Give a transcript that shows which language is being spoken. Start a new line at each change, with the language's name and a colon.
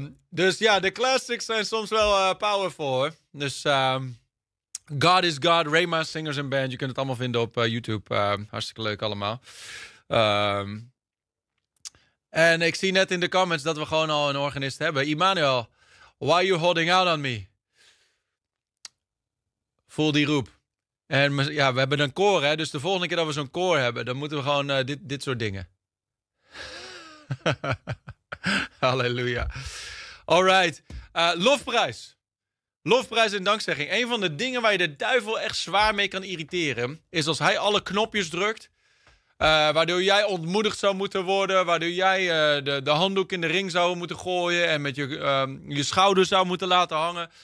Dutch: Dus ja, de classics zijn soms wel powerful. Dus God is God, Rema Singers and Band. Je kunt het allemaal vinden op YouTube. Hartstikke leuk allemaal. En ik zie net in de comments dat we gewoon al een organist hebben.
English: Immanuel, why are you holding out on me?
Dutch: Voel die roep. En ja, we hebben een koor, hè? Dus de volgende keer dat we zo'n koor hebben, dan moeten we gewoon dit soort dingen. Halleluja.
English: All right.
Dutch: Lofprijs. Lofprijs en dankzegging. Een van de dingen waar je de duivel echt zwaar mee kan irriteren, is als hij alle knopjes drukt, waardoor jij ontmoedigd zou moeten worden, waardoor jij de handdoek in de ring zou moeten gooien en met je schouders zou moeten laten hangen.